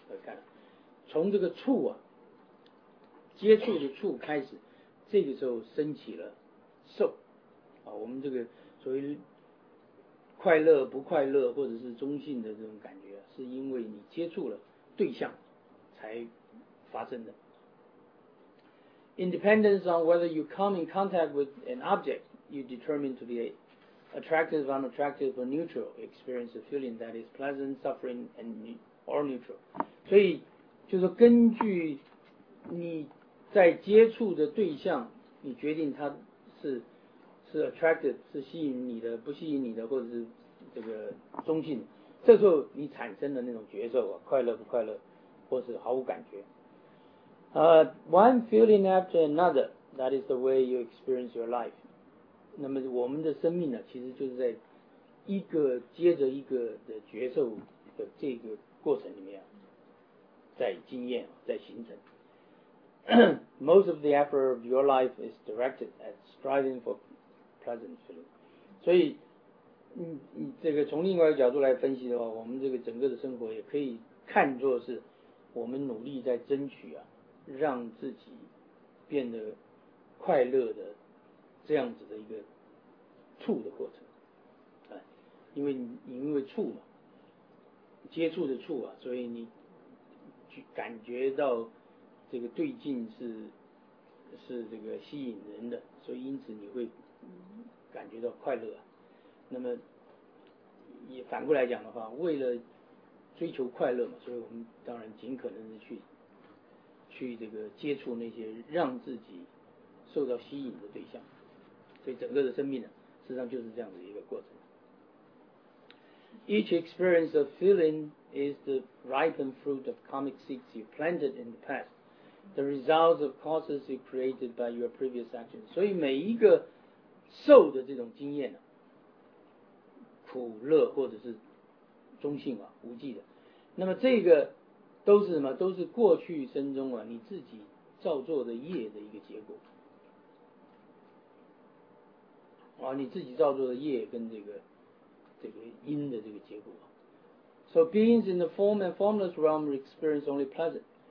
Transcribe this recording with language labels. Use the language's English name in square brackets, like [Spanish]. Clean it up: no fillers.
[Chinese] 看从这个触啊，接触的触开始，这个时候升起了受啊，我们这个所谓快乐不快乐或者是中性的这种感觉，是因为你接触了对象才发生的。 [English] Independence on whether you come in contact with an object you determine to be attractive, unattractive, or neutral, experience a feeling that is pleasant, suffering, and or neutral. [Chinese] 所以就是根据你在接触的对象，你决定它是 attractive， 是吸引你的不吸引你的，或者是这个中性的，这时候你产生的那种觉受啊，快乐不快乐，或是毫无感觉。 [English] One feeling after another, that is the way you experience your life. [Chinese] 那么我们的生命呢，其实就是在一个接着一个的觉受的这个过程里面，在经验，在形成。 [English] Most of the effort of your life is directed at striving for pleasant feeling. [Chinese] 所以你这个从另外一个角度来分析的话，我们这个整个的生活也可以看作是我们努力在争取啊，让自己变得快乐的这样子的一个触的过程，因为触嘛，接触的触啊，所以你感觉到这个对境是这个吸引人的，所以因此你会感觉到快乐啊。那么也反过来讲的话，为了追求快乐嘛，所以我们当然尽可能的去这个接触那些让自己受到吸引的对象，所以整个的生命呢，实际上就是这样的一个过程。 [English] Each experience of feeling is the ripened fruit of karmic seeds you planted in the past, the results of causes you created by your previous actions. [Chinese] 所以每一个受的这种经验呢，苦乐或者是中性啊，无忌的，那么这个都是什么？都是过去生中啊你自己造作的业的一个结果啊，你自己造作的业跟这个因的这个结果。 [English] So beings in the form and formless realm experience only pleasant.